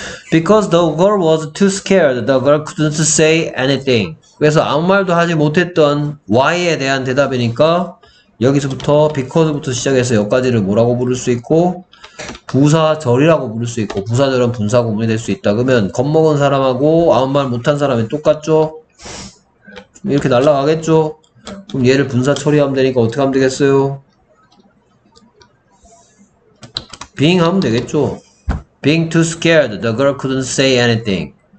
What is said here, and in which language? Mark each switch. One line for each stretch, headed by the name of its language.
English: Because the girl was too scared, the girl couldn't say anything.
Korean: 그래서 아무 말도 하지 못했던 why에 대한 대답이니까 여기서부터 because부터 시작해서 여기까지를 뭐라고 부를 수 있고 부사절이라고 부를 수 있고 부사절은 분사 구문이 될 수 있다. 그러면 겁먹은 사람하고 아무 말 못한 사람이 똑같죠? 이렇게 날아가겠죠? 그럼 얘를 분사 처리하면 되니까 어떻게 하면 되겠어요? being 하면 되겠죠?
English: Being too scared, the girl couldn't say anything.